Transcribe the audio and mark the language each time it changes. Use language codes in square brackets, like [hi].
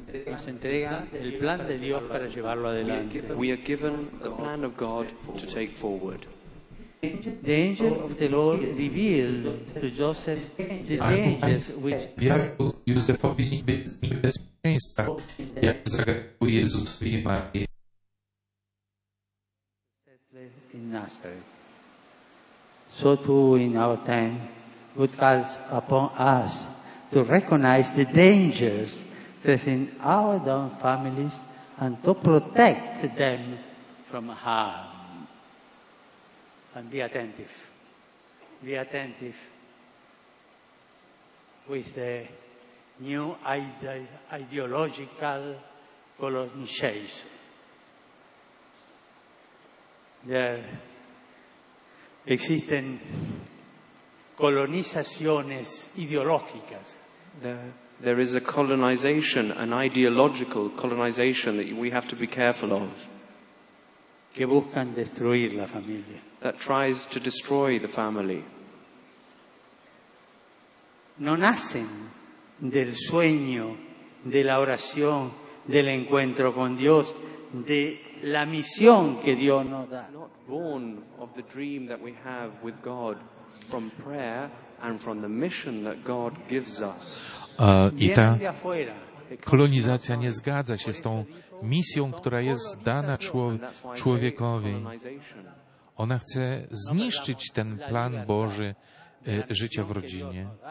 [es] Nos entrega el plan de Dios para llevarlo adelante. [en] We are given the plan of God to take forward. The angel of the Lord revealed to Joseph the dangers which [pl] diabeł Józefowi niebezpieczeństwa, jak zagrał Jezusowi i Marii. [en] In Nazareth. So too in our time, God calls upon us to recognize the dangers in our own families and to protect them from harm. And be attentive. Be attentive with the new ideological colonization. [es] There existen colonizaciones ideológicas. [en] There is a colonization, an ideological colonization that we have to be careful of. [es] Que buscan destruir la familia. [en] That tries to destroy the family. [es] No nacen del sueño, de la oración, del encuentro con Dios, de la misión que Dios nos da. [en] Not born of the dream that we have with God from prayer and from the mission that God gives us. [pl] I ta kolonizacja nie zgadza się z tą misją, która jest dana człowiekowi. Ona chce zniszczyć ten plan Boży życia w rodzinie.